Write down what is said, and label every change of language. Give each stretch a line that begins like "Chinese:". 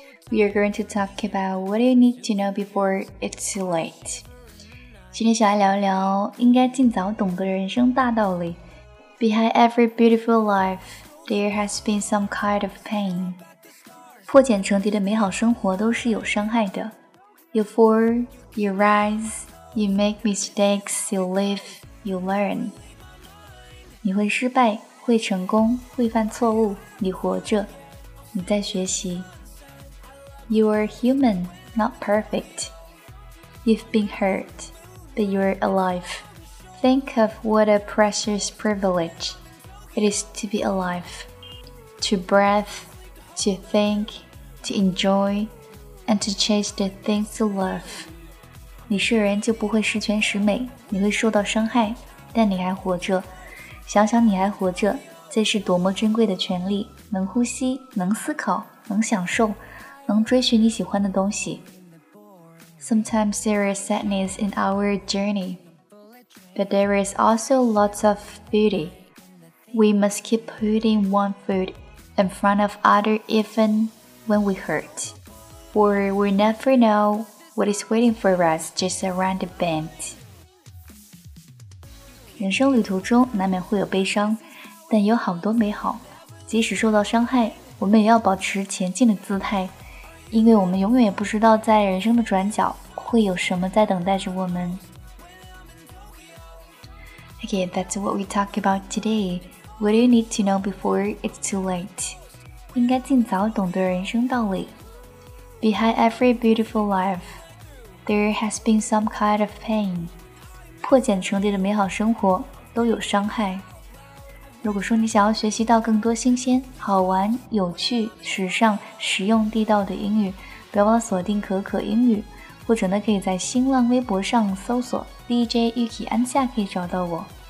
English: We are going to talk about what you need to know before it's too late.
Chinese: 今天想来聊一聊应该尽早懂得人生大道理。
English: Behind every beautiful life, there has been some kind of pain.
Chinese: 破茧成蝶的美好生活都是有伤害的。
English: You fall, you rise, you make mistakes, you live, you learn.
Chinese: 你会失败。会成功，会犯错误，你活着，你在学习。
English: You are human, not perfect. You've been hurt, but you're alive. Think of what a precious privilege it is to be alive. To breathe, to think, to enjoy, and to chase the things you love.
Chinese: 你是人就不会十全十美，你会受到伤害，但你还活着。想想你还活着，这是多么珍贵的权利，能呼吸，能思考，能享受，能追寻你喜欢的东西。
English: Sometimes there is sadness in our journey, but there is also lots of beauty. We must keep putting one foot in front of other even when we hurt, or we never know what is waiting for us just around the bend.
Chinese: 人生旅途中难免会有悲伤，但有好多美好。即使受到伤害，我们也要保持前进的姿态，因为我们永远也不知道在人生的转角会有什么在等待着我们。
English: Okay, that's what we talk about today. What do you need to know before it's too late?
Chinese: 应该尽早懂得人生道理。
English: Behind every beautiful life, there has been some kind of pain.
Chinese: 破茧成蝶的美好生活都有伤害。如果说你想要学习到更多新鲜、好玩、有趣、时尚、实用、地道的英语，不要忘了锁定可可英语，或者呢，可以在新浪微博上搜索 DJ 玉琪安夏，可以找到我。